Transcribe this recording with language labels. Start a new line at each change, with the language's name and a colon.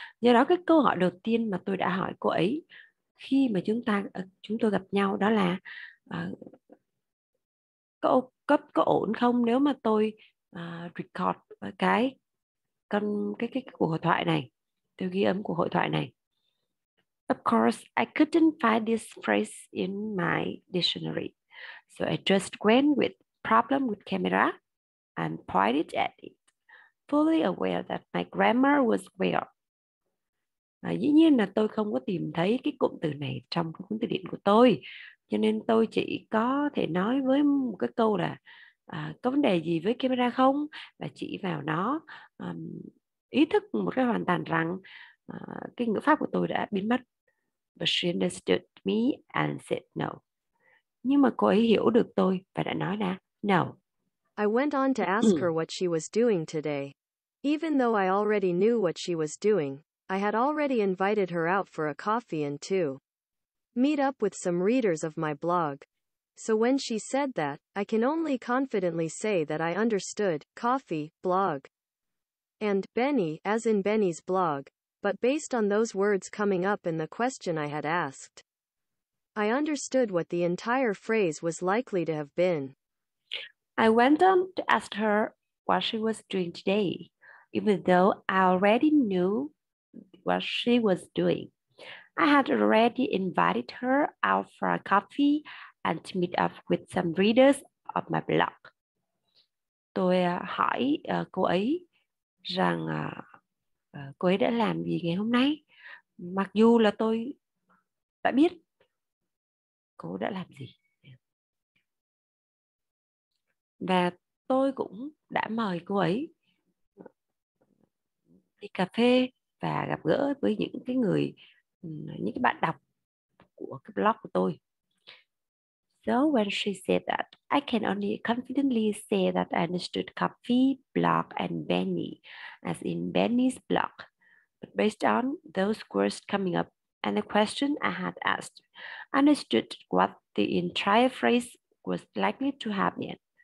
Vietnamese: Do đó cái câu hỏi đầu tiên mà tôi đã hỏi cô ấy khi mà chúng tôi gặp nhau đó là có ổn không nếu mà tôi record cái cuộc hội thoại này, tôi ghi âm cuộc hội thoại này.
English: Of course, I couldn't find this phrase in my dictionary, so I just went with problem with camera and pointed at it, fully aware that my grammar was way off.
Vietnamese: Dĩ nhiên là tôi không có tìm thấy cái cụm từ này trong cuốn từ điển của tôi, cho nên tôi chỉ có thể nói với một cái câu là có vấn đề gì với camera không, và chỉ vào nó, ý thức một cái hoàn toàn rằng cái ngữ pháp của tôi đã biến mất.
English: But she understood me and said no.
Vietnamese: Nhưng mà cô ấy hiểu được tôi và đã nói là no.
English: I went on to ask her what she was doing today. Even though I already knew what she was doing, I had already invited her out for a coffee and to meet up with some readers of my blog. So when she said that, I can only confidently say that I understood coffee, blog, and Benny, as in Benny's blog. But based on those words coming up in the question I had asked, I understood what the entire phrase was likely to have been. I went on to ask her what she was doing today, even though I already knew what she was doing. I had already invited her out for a coffee and to meet up with some readers of my blog.
Vietnamese: Tôi hỏi cô ấy rằng cô ấy đã làm gì ngày hôm nay, mặc dù là tôi đã biết cô đã làm gì. Và tôi cũng đã mời cô ấy đi cà phê và gặp gỡ với những cái người, những cái bạn đọc của cái blog của tôi.
English: So when she said that, I can only confidently say that I understood coffee, blog, and Benny, as in Benny's blog. But based on those words coming up and the question I had asked, I understood what the entire phrase was likely to have been.